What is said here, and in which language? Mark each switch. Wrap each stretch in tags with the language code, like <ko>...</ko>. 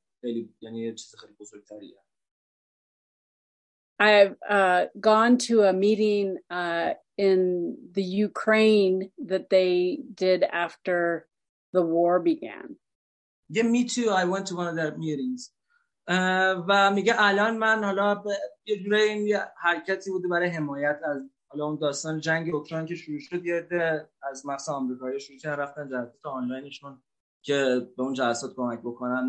<fa>خیلی یعنی یه چیز خیلی بزرگتری هست.</fa> <en>I've gone to a meeting in the Ukraine that they did after the war began.</en> <fa>میگه</fa> <en>Me too I want to one of that meetings.</en> <fa>و میگه الان من حالا یه جوری این حرکتی بوده برای حمایت از حالا اون داستان جنگ اوکراین که شروع شد، یه از مثلا آمریکایی‌ها شروع کردن رفتن جلسات آنلاینشون که به اون جلسات کمک بکنن.</fa>